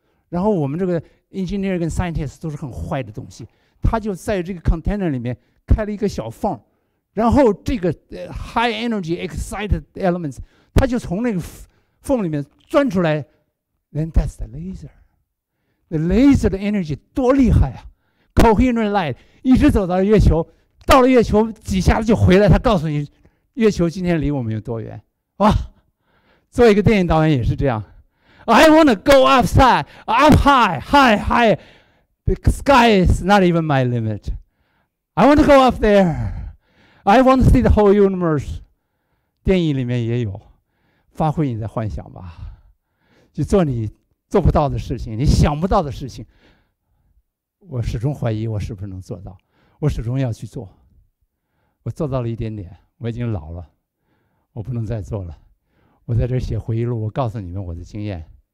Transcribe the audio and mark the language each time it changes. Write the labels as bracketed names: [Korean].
[Chinese] 然后我们这个 engineer 跟 scientist 都是很坏的东西，他就在这个 container 里面开了一个小缝，然后这个 [English] high energy excited elements [Chinese] 他就从那个缝里面钻出来。 [English] Then that's the laser。 The laser [Chinese] 的 energy 多厉害啊！ [English] Coherent light [Chinese] 一直走到月球，到了月球几下子就回来，他告诉你月球今天离我们有多远。哇，做一个电影导演也是这样。 [English] I wanna go upside up high the sky is not even my limit. I wanna go up there. I wanna see the whole universe. [Chinese] 电影里面也有，发挥你的幻想吧，去做你做不到的事情，你想不到的事情。我始终怀疑我是不是能做到，我始终要去做。我做到了一点点，我已经老了，我不能再做了。我在这写回忆录，我告诉你们我的经验。